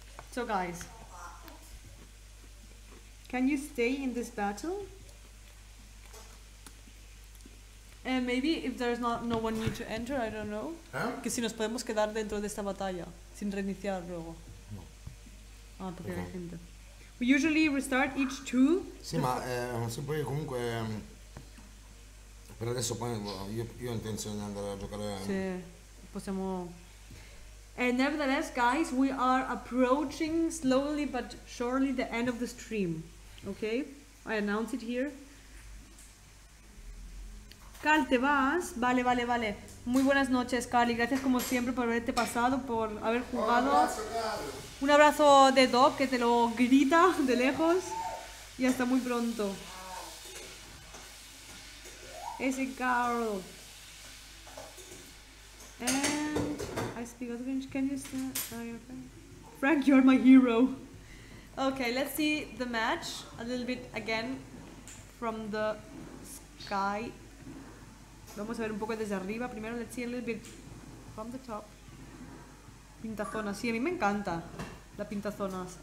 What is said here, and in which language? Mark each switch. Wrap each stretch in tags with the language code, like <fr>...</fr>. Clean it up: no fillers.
<en>So guys, can you stay in this battle? And maybe if there's not no one new to enter, I don't know.</en> <es>Que si nos podemos quedar dentro de esta batalla sin reiniciar luego. Ah, perché hay gente.</es> <en>We usually restart each two.</en> <it>Sì, ma se poi comunque. Per adesso poi io ho intenzione di andare a giocare. Sì, possiamo.</it> <en>And nevertheless, guys, we are approaching slowly but surely the end of the stream. Okay? I announce it here.</en> <es>Carl, ¿te vas? Vale. Muy buenas noches, Carl, y gracias como siempre por haberte pasado, por haber Un jugado. abrazo, Carlos. Un abrazo de Doc que te lo grita de lejos. Y hasta muy pronto. Ese Carl.</es> <en>And I speak English. Can you say Frank, you're my hero. Okay, let's see the match a little bit again from the Kai.</en> <es>Vamos a ver un poco desde arriba. Primero</es> <en>let's see a little bit from the top.</en> <es>Pintazonas, sí, a mí me encanta la pintazonas.</es>